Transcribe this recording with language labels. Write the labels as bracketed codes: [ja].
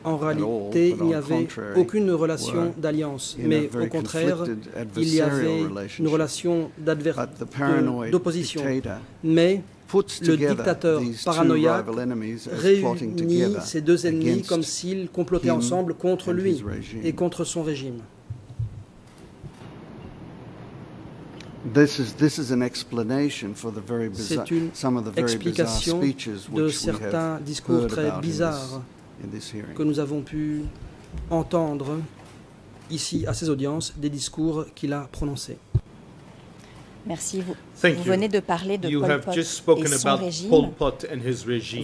[fr] en réalité, il n'y avait aucune relation d'alliance, mais au contraire, il y avait une relation d'opposition. Mais le dictateur paranoïaque réunit ces deux ennemis comme s'ils complotaient ensemble contre lui et contre son régime. [en] This is an explanation for the very bizarre, some of the very bizarre speeches which we have heard about in this hearing. [fr] Que nous avons pu entendre ici à ces audiences des discours qu'il a prononcés. Merci. Vous venez de parler de Pol Pot et son régime.